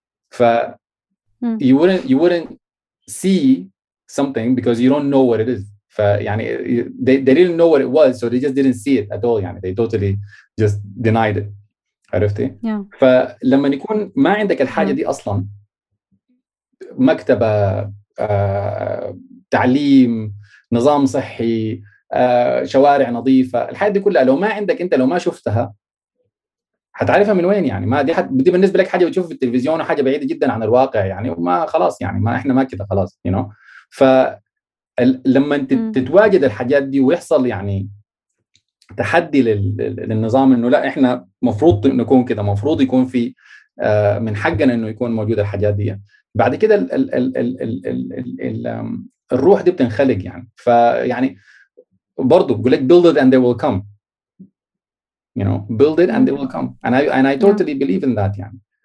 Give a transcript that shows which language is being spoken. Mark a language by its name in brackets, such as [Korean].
[English] ف you wouldn't see something because you don't know what it is. فيعني they didn't know what it was, so they just didn't see it at all يعني, they totally just denied it عرفتي. yeah. [Arabic] فلما يكون ما عندك الحاجة دي أصلا, مكتبة, تعليم, نظام صحي, شوارع نظيفة, الحاجة دي كلها لو ما عندك أنت, لو ما شفتها هتعرفها من وين يعني. ما دي بالنسبة لك حاجة بتشوفها في التلفزيون وحاجة بعيدة جدا عن الواقع يعني, وما خلاص يعني, ما إحنا ما كده خلاص [English] you know. [Arabic] فلما تتواجد الحاجات دي ويحصل يعني تحدي للنظام انه لا احنا مفروض نكون كده، مفروض يكون في من حقنا انه يكون موجود الحاجات دي. بعد كده الـ الـ الـ الـ الـ الـ الـ الـ الروح دي بتنخلق يعني. [English] فيعني برضو بقول لك build it and they will come, you know, build it and they will come, and I totally believe in that يعني.